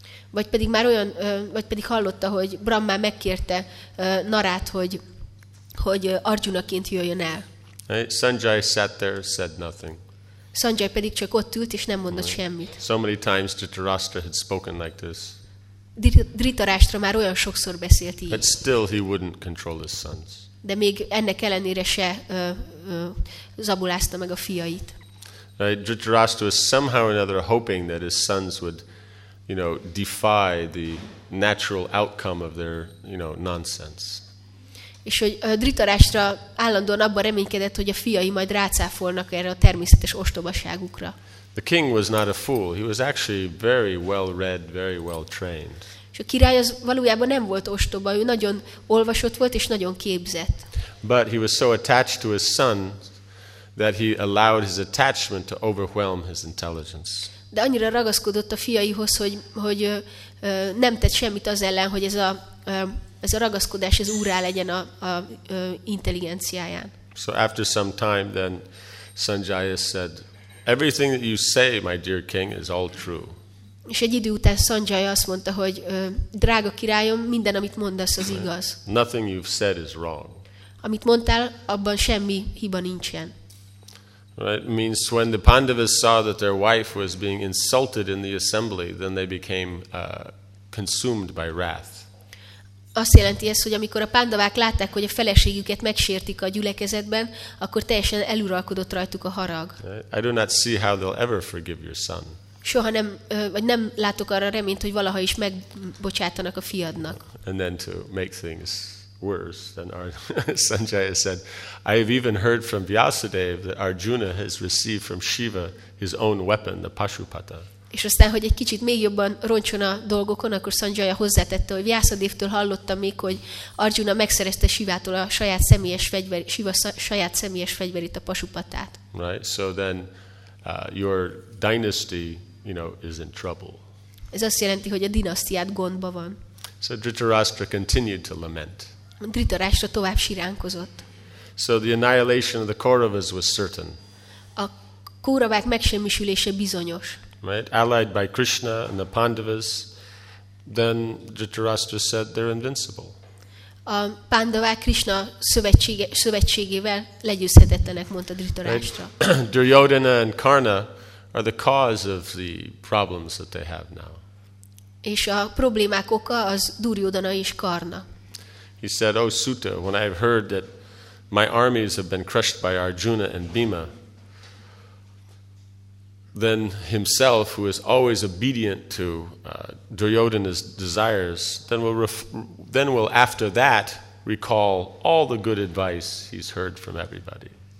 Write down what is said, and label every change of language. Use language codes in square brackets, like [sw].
[hu] Vagy pedig már olyan, vagy pedig hallotta, hogy Brahma megkérte Narát, hogy Arjunaként jöjjön el. [en] Right? Sanjay sat there, said nothing. [hu] Sanjay pedig csak ott ült, és nem mondott semmit. [en] So many times Dhritarashtra had spoken like this. [hu] Dhritarashtra már olyan sokszor beszélt így. [en] But still he wouldn't control his sons. [hu] De még ennek ellenére se zabulázta meg a fiait. [en] Dhritarashtra was somehow or another hoping that his sons would, you know, defy the natural outcome of their, you know, nonsense. [hu] És hogy Dhritarashtra állandóan abban reménykedett, hogy a fiai majd rácáfolnak erre a természetes ostobaságukra. [en] The king was not a fool. He was actually very well read, very well trained. [hu] És a király az valójában nem volt ostoba, ő nagyon olvasott volt és nagyon képzett. [en] But he was so attached to his son that he allowed his attachment to overwhelm his intelligence. [hu] De annyira ragaszkodott a fiaihoz, hogy nem tett semmit az ellen, hogy ez a ragaszkodás ez úrrá legyen a intelligenciáján. [en] So after some time then Sanjaya said, everything that you say, my dear king, is all true. [hu] És egy idő után Sanjaya azt mondta, hogy drága királyom, minden amit mondasz az igaz. [en] Nothing you've said is wrong. [hu] Amit mondtál, abban semmi hiba nincsen. [en] Right? Means when the Pandavas saw that their wife was being insulted in the assembly, then they became consumed by wrath. [hu] Azt jelenti ez, hogy amikor a pándavák látták, hogy a feleségüket megsértik a gyülekezetben, akkor teljesen eluralkodott rajtuk a harag. [en] I do not see how they'll ever forgive your son. [hu] Soha nem, vagy nem látok arra reményt, hogy valaha is megbocsátanak a fiadnak. [en] And then to make things worse than Sanjaya said. I have even heard from Vyasadeva that Arjuna has received from Shiva his own weapon, the Pashupata. [hu] És aztán, hogy egy kicsit még jobban roncson a dolgokon, akkor Sanjaya hozzátette, hogy Vyasadevtől hallottam még, hogy Arjuna megszerezte Sivától a saját személyes fegyver, Shiva saját személyes fegyverét, a Pashupatát. [en] Right, so then your dynasty, you know, is in trouble. [hu] Ez azt jelenti, hogy a dinasztiád gondba van. [en] So Dhritarashtra continued to lament. [hu] Dhritarashtra tovább siránkozott. [en] So the annihilation of the Kauravas was certain. [hu] A Kauravák megsemmisülése bizonyos. [en] Right, allied by Krishna and the Pandavas, then Dhritarashtra said they're invincible. [hu] A Pandavák Krishna szövetségével legyőzhetetlenek, mondta Dhritarashtra. [en] Right? Duryodhana and Karna are the cause of the problems that they have now. [hu] És a problémák oka az Duryodhana és Karna. [en] He said, "O Suta, when I have heard that my armies have been crushed by Arjuna and Bhima, then himself, who is always obedient to Duryodhana's desires, then will after that recall all the good advice he's heard from everybody."